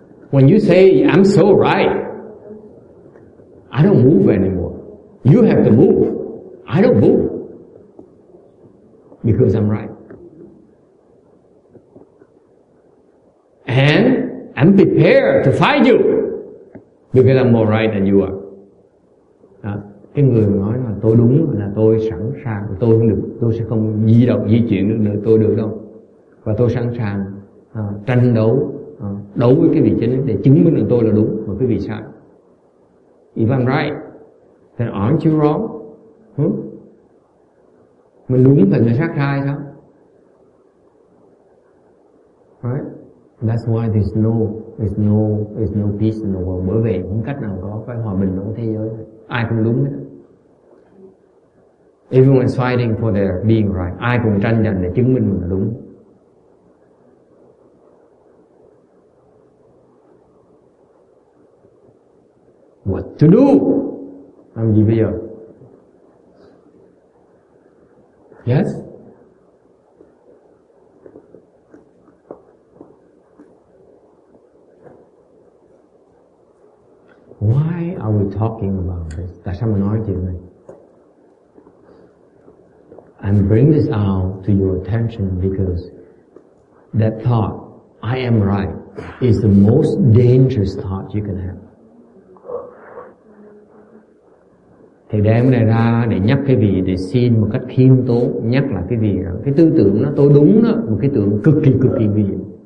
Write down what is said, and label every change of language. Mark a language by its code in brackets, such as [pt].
[en] When you say I'm so right, I don't move anymore. You have to move. I don't move. Because I'm right. And I'm prepared to fight you because I'm more right than you are. [vi] Cái người nói là tôi đúng, là tôi sẵn sàng, tôi không được, tôi sẽ không di động di chuyển được nữa, tôi được đâu, và tôi sẵn sàng tranh đấu đấu với cái vị trí để chứng minh là tôi là đúng và cái vị sai. [en] If I'm right, then aren't you wrong? [vi] Mình đúng thì người khác sai sao? [en] Right? That's why there's no peace in the world. [vi] Bởi vì không cách nào có phải hòa bình trong thế giới. Ai cũng đúng hết. [en] Everyone's fighting for their being right. [vi] Ai cũng tranh giành để chứng minh mình là đúng. [en] What to do? [vi] Làm gì bây giờ? [en] Yes? Why are we talking about this? [vi] Tại sao mình nói chuyện này? [en] I'm bringing this out to your attention because that thought, I am right, is the most dangerous thought you can have. [vi] Thì đem cái này ra để nhắc cái vị, để xin một cách khiêm tốn, nhắc lại cái vị đó. Cái tư tưởng đó, tôi đúng đó, một cái tưởng cực kỳ nguy hiểm.